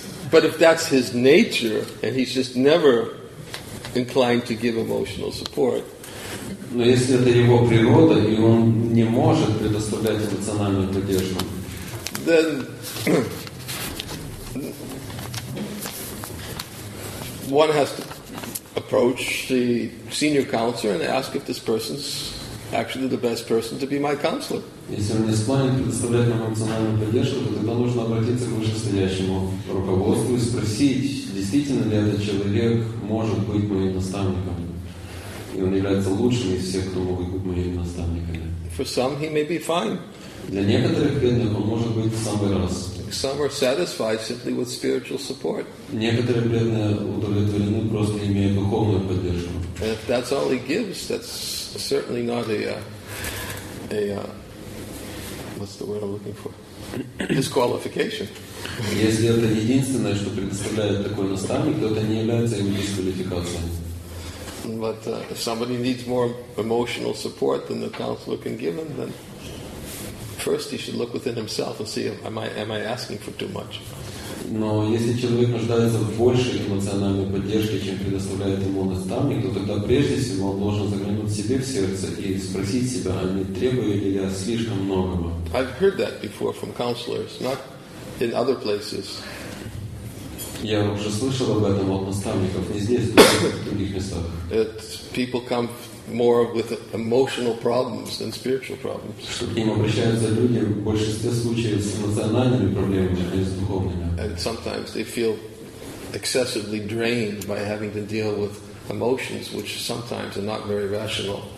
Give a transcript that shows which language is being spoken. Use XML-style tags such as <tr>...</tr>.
<en>But if that's his nature, and he's just never inclined to give emotional support.</en> <ru>Но если это его природа, и он не может предоставлять эмоциональную поддержку.</ru> <en>Then one has to approach the senior counselor and ask if this person's actually the best person to be my counselor.</en> <ru>Если он не склонен предоставлять нам эмоциональную поддержку, то тогда нужно обратиться к вышестоящему руководству и спросить, действительно ли этот человек может быть моим наставником. И он является лучшим из всех, кто могут быть моими наставниками.</ru> <en>For some he may be fine.</en> <ru>Для некоторых преданных он может быть в самый раз.</ru> <en>Some are satisfied simply with spiritual support.</en> <ru>Некоторые преданные удовлетворены, просто имея духовную поддержку.</ru> <en>And if that's all he gives, that's certainly not what's the word I'm looking for? Disqualification.</en> <ru>Если это единственное, что предоставляет такой наставник, то это не является его дисквалификацией.</ru> <en>But if somebody needs more emotional support than the counselor can give him, then first he should look within himself and see, am I asking for too much?</en> <ru>Но если человек нуждается в большей эмоциональной поддержке, чем предоставляет ему наставник, то тогда прежде всего он должен заглянуть себе в сердце и спросить себя, а не требую ли я слишком многого.</ru> <en>I've heard that before from counselors, not in other places.</en> <ru>Я уже слышал об этом от наставников, не здесь, но в других местах.</ru> <en>That people come more with emotional problems than spiritual problems.</en> <ru>К ним обращаются люди в большинстве случаев с эмоциональными проблемами, а не с духовными.</ru> <en>And sometimes they feel excessively drained by having to deal with emotions which sometimes are not very rational.</en>